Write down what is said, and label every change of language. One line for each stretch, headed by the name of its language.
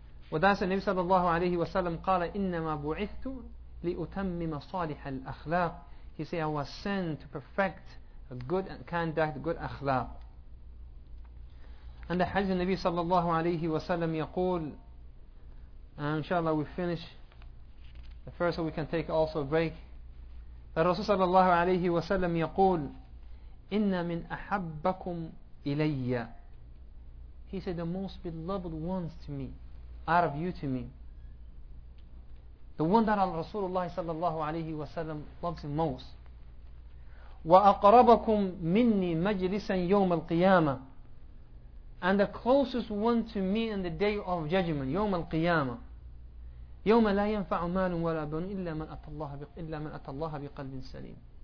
Arabic: وَذَاسَ النَّبِي صَلَى اللَّهُ عَلَيْهِ وَسَلَّمُ قَالَ إِنَّمَا بُعِثْتُ لِأُتَمِّمَ صَالِحَ الْأَخْلَاقِ.
English: He said, I was sent to perfect a good conduct, good akhlaq. And the hadith of
Arabic: النبي صلى الله عليه وسلم يقول,
English: inshallah we finish. The first we can take also a break. The Rasul
Arabic: صلى الله عليه وسلم يقول, إِنَّ مِنْ أَحَبَّكُمْ إِلَيَّ.
English: He said, the most beloved ones to me, out of you to me, the one that Rasulullah صلى الله عليه وسلم loves him most.
Arabic: وَأَقْرَبَكُمْ مِنِّي مَجْلِسًا يَوْمَ الْقِيَامَةِ.
English: And the closest one to me in the day of judgment,
Arabic: يوم القيامة. يوم لا ينفع مال ولا بنون إلا من أتى الله إلا من أتى الله بقلب سليم.